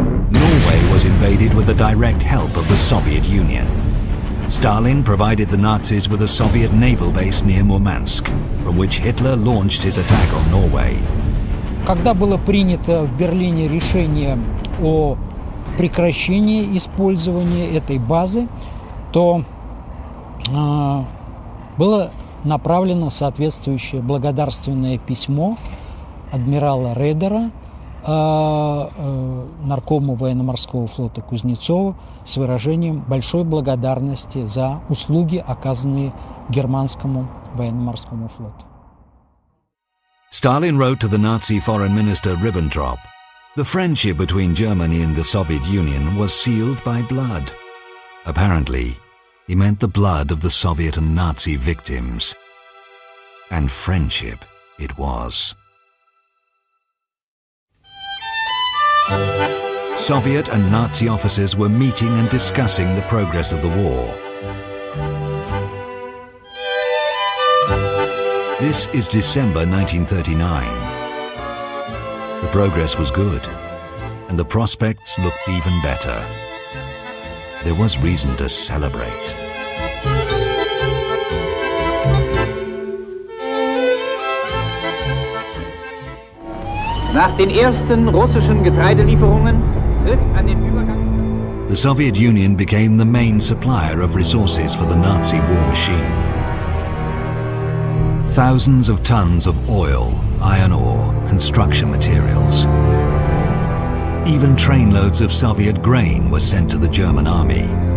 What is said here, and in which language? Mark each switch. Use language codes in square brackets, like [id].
[en] Norway was invaded with the direct help of the Soviet Union. Stalin provided the Nazis with a Soviet naval base near Murmansk, from which Hitler launched his attack on Norway. [ru] Когда было принято в Берлине решение о прекращении использования этой базы, то было направлено соответствующее благодарственное письмо адмирала Редера наркому военно-морского флота Кузнецову с выражением большой благодарности за услуги, оказанные германскому военно-морскому флоту. [en] Stalin wrote to the Nazi foreign minister Ribbentrop, the friendship between Germany and the Soviet Union was sealed by blood. Apparently, he meant the blood of the Soviet and Nazi victims. And friendship it was. Soviet and Nazi officers were meeting and discussing the progress of the war. This is December 1939. The progress was good, and the prospects looked even better. There was reason to celebrate. [de] Nach den ersten russischen Getreidelieferungen trifft an den Übergang. [en] The Soviet Union became the main supplier of resources for the Nazi war machine. Thousands of tons of oil, iron ore, construction materials. Even trainloads of Soviet grain were sent to the German army.